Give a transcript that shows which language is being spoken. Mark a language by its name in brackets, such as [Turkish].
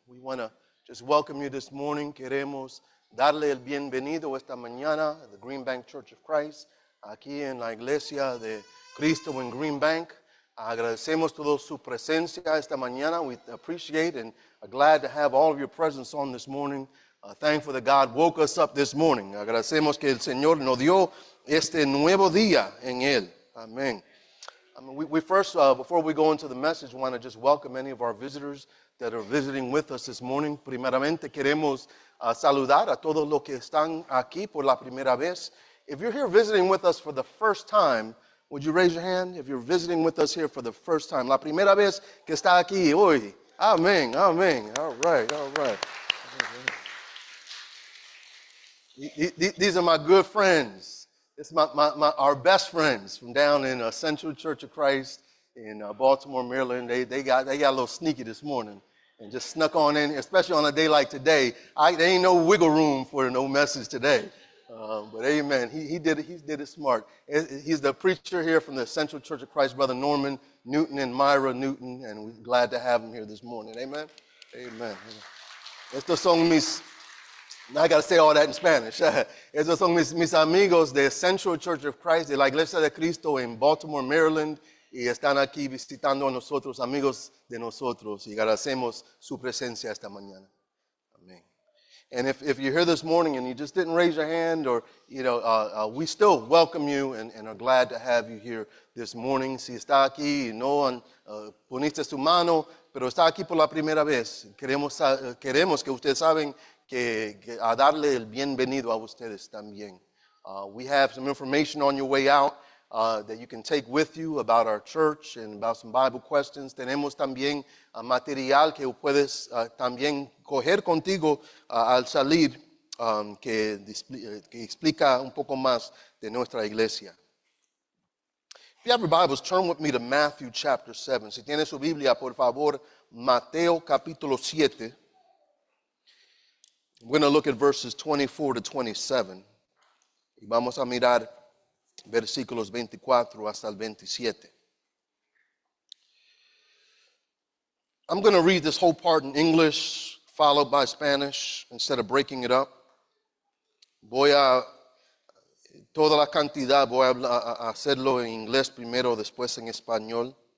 [English] We want to just welcome you this morning. [Spanish] Queremos darle el bienvenido esta mañana a the Green Bank Church of Christ, aquí en la Iglesia de Cristo en Green Bank. Agradecemos todo su presencia esta mañana. [English] We appreciate and are glad to have all of your presence on this morning. Thankful that God woke us up this morning. [Spanish] Agradecemos que el Señor nos dio este nuevo día en él. [English] Amen. Before we go into the message, want to just welcome any of our visitors that are visiting with us this morning. [Spanish] Primeramente, queremos saludar a todos los que están aquí por la primera vez. [English] If you're here visiting with us for the first time, would you raise your hand if you're visiting with us here for the first time? [Spanish] La primera vez que está aquí hoy. [English] Amen, amen. All right, all right. These are my good friends. It's our best friends from down in Central Church of Christ in Baltimore, Maryland. They got a little sneaky this morning and just snuck on in, especially on a day like today. There ain't no wiggle room for no message today. But amen. He did it smart. He's the preacher here from the Central Church of Christ, Brother Norman Newton and Myra Newton, and we're glad to have him here this morning. Amen. Amen. [Spanish] Estos son mis. [English] Now I got to say all that in Spanish. [Spanish] Esos son mis amigos de Central Church of Christ, de la Iglesia de Cristo en Baltimore, Maryland. Y están aquí visitando a nosotros, amigos de nosotros. Y agradecemos su presencia esta mañana. Amen. [English] And if you're here this morning and you just didn't raise your hand, or, you know, we still welcome you and are glad to have you here this morning. [Spanish] Si está aquí y no poniste su mano, pero está aquí por la primera vez. Queremos que ustedes saben que a darle el bienvenido a ustedes también. [English] We have some information on your way out that you can take with you about our church and about some Bible questions. [Spanish] Tenemos también material que puedes también coger contigo al salir que explica un poco más de nuestra iglesia. [English] If you have your Bibles, turn with me to Matthew chapter 7. [Spanish] Si tienes su Biblia, por favor, Mateo capítulo 7. [English] We're going to look at verses 24 to 27. [Spanish] Y vamos a mirar versículos 24 hasta el 27. [English] I'm going to read this whole part in English, followed by Spanish, instead of breaking it up. [Spanish] Voy a toda la cantidad, voy a hacerlo en inglés primero, después en español.